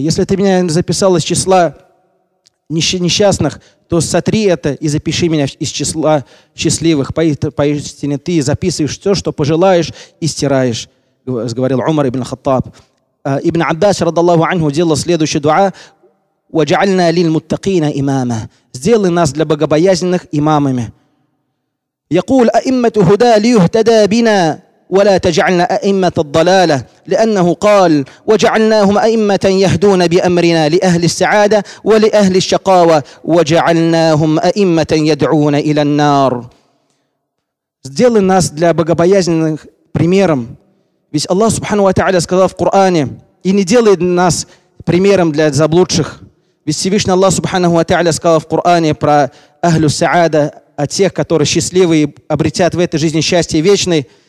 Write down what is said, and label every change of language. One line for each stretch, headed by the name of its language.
Russian: Если ты меня записал из числа несчастных, то сотри это и запиши меня из числа счастливых. Поистине ты записываешь все, что пожелаешь, и стираешь», говорил Умар ибн Хаттаб. Ибн Аббас, радиллаху анху, делал следующий дуа:
Arabic: «Ваджальна лиль муттакина имама».
Russian: «Сделай нас для богобоязненных имамами».
Arabic: يقول أئمة هدى ليهتدى بنا ولا تجعلنا أئمة الضلالة لأنه قال وجعلناهم أئمة يهدون بأمرنا لأهل السعادة ولأهل الشقاوة وجعلناهم أئمة يدعون إلى النار.
Russian: Сделай нас для богобоязненных примером, ведь Аллах Субхану ва Тааля сказал в Коране: и не делай нас примером для заблудших. Ведь Всевышний Аллах Субхану ва Тааля сказал в Коране про Ахлю Саада, о тех, которые счастливы и обретят в этой жизни счастье вечное.